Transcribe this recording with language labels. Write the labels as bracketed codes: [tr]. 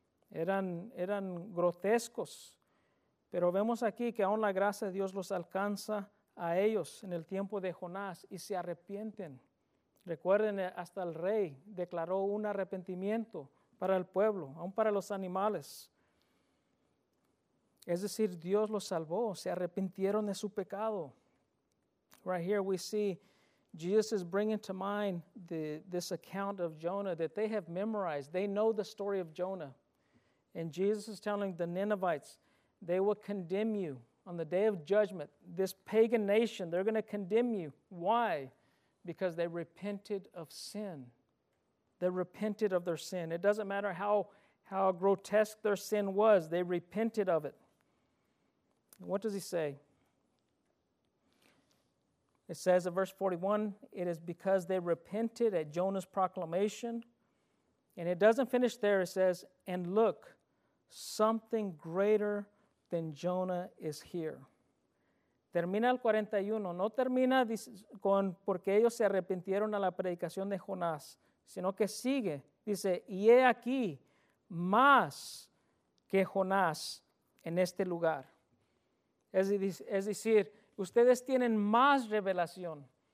[es] Eran grotescos. Pero vemos aquí que aún la gracia de Dios los alcanza a ellos en el tiempo de Jonás y se arrepienten. Recuerden, hasta el rey declaró un arrepentimiento para el pueblo, aún para los animales. Es decir, Dios los salvó, se arrepintieron de su pecado. [en] Right here we see Jesus is bringing to mind this account of Jonah that they have memorized. They know the story of Jonah. And Jesus is telling the Ninevites, they will condemn you on the day of judgment. This pagan nation, they're going to condemn you. Why? Because they repented of sin. They repented of their sin. It doesn't matter how grotesque their sin was. They repented of it. What does he say? It says in verse 41, it is because they repented at Jonah's proclamation. And it doesn't finish there. It says, and look, something greater than Jonah is here. [es] Termina el 41. No termina con porque ellos se arrepintieron a la predicación de Jonás, sino que sigue. Dice, y he aquí más que Jonás en este lugar. Es decir, ustedes tienen más revelación.